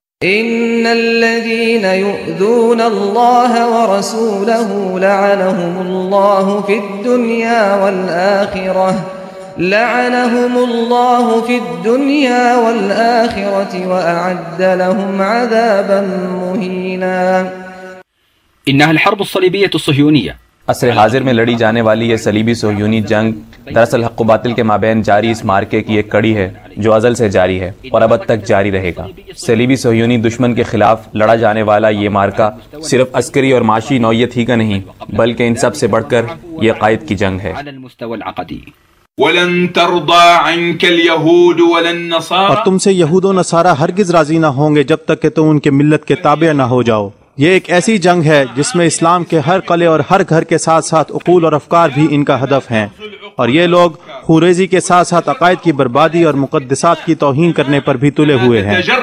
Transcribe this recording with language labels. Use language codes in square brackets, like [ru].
[ar] إن الذين يؤذون الله ورسوله لعنهم الله في الدنيا والآخرة وأعد لهم عذابا مهينا. إنها الحرب الصليبية الصهيونية. [ur] عصر حاضر میں لڑی جانے والی یہ صلیبی صہیونی جنگ دراصل حق و باطل کے مابین جاری اس مارکے کی ایک کڑی ہے جو ازل سے جاری ہے اور ابد تک جاری رہے گا۔ صلیبی صہیونی دشمن کے خلاف لڑا جانے والا یہ مارکہ صرف عسکری اور معاشی نوعیت ہی کا نہیں بلکہ ان سب سے بڑھ کر یہ عقائد کی جنگ ہے۔ [ar] ولن ترضى عنك اليهود ولا النصارى، [ur] اور تم سے یہود و نصارہ ہرگز راضی نہ ہوں گے جب تک کہ تم ان کے ملت کے تابع نہ ہو جاؤ۔ یہ ایک ایسی جنگ ہے جس میں اسلام کے ہر قلعے اور ہر گھر کے ساتھ ساتھ عقول اور افکار بھی ان کا ہدف ہیں، اور یہ لوگ خوریزی کے ساتھ ساتھ عقائد کی بربادی اور مقدسات کی توہین کرنے پر بھی تلے ہوئے ہیں۔